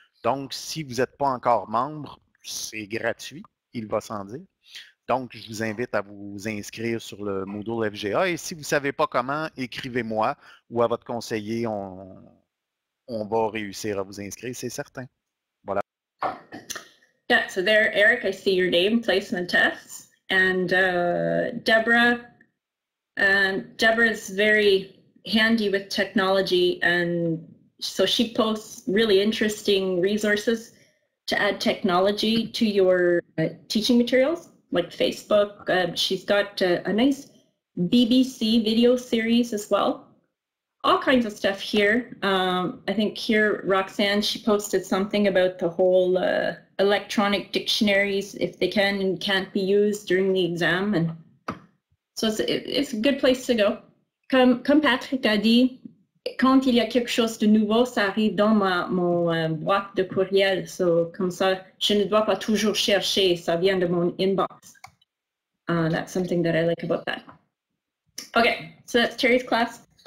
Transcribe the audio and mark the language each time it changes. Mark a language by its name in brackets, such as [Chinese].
[French] Donc, si vous n'êtes pas encore membre, c'est gratuit, il va sans dire. Donc, je vous invite à vous inscrire sur le Moodle FGA. Et si vous ne savez pas comment, écrivez-moi ou à votre conseiller, on va réussir à vous inscrire, c'est certain. Voilà. [English] Yeah, so there, Eric, I see your name, placement tests. And Deborah is very handy with technology. And so she posts really interesting resources to add technology to your teaching materials. Like Facebook, she's got a nice BBC video series as well. All kinds of stuff here. I think here, Roxanne, she posted something about the whole electronic dictionaries, if they can and can't be used during the exam. And so it's a good place to go. [French] Comme Patrick a dit, quand il y a quelque chose de nouveau, ça arrive dans mon boîte de courriel. So, comme ça, je ne dois pas toujours chercher, ça vient de mon inbox. [English] That's something that I like about that. Okay, so that's Terry's class.